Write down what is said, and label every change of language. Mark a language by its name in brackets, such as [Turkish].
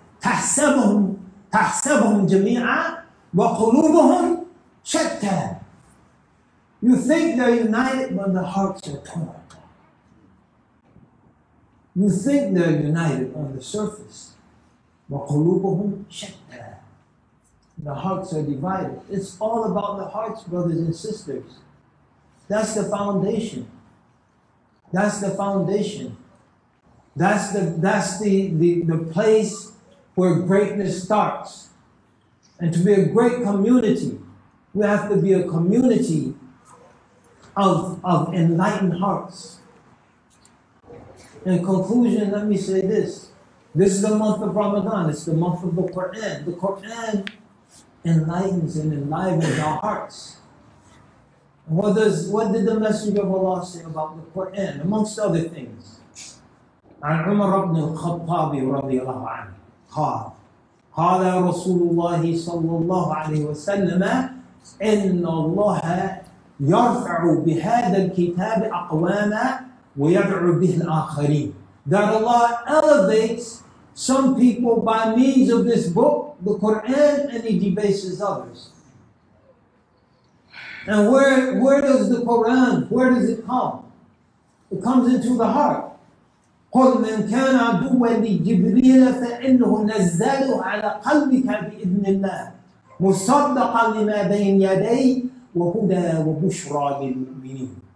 [Arabic] تحسبهم, تحسبهم جميعا وقلوبهم شتى. [English] You think they're united, but the hearts are torn. You think they're united on the surface, وقلوبهم شتى. The hearts are divided. It's all about the hearts, brothers and sisters. That's the foundation. That's the foundation. That's the place where greatness starts. And to be a great community, we have to be a community of enlightened hearts. In conclusion, let me say this. This is the month of Ramadan. It's the month of the Qur'an. The Qur'an enlightens and enlivens our hearts. What did the Messenger of Allah say about the Quran, amongst other things? [Arabic] عن عمر بن الخطاب رضي الله عنه قال قال رسول الله صلى الله عليه وسلم إن الله يرفع بهذا الكتاب أقواما ويدعو به الآخرين. [English] That Allah elevates some people by means of this book, the Quran, and he debases others. And where does the Quran, where does it come? [Arabic] It comes into the heart. قُلْ مَنْ كَانَ عَدُوًا لِجِبْرِيلَ فَإِنْهُ نَزَّلُ عَلَى قَلْبِكَ بِإِذْنِ اللَّهِ مُصَدَّقًا لِمَا بَيْنَ يَدَيْهِ وَهُدًى وَبُشْرَى لِلْمُؤْمِنِينَ.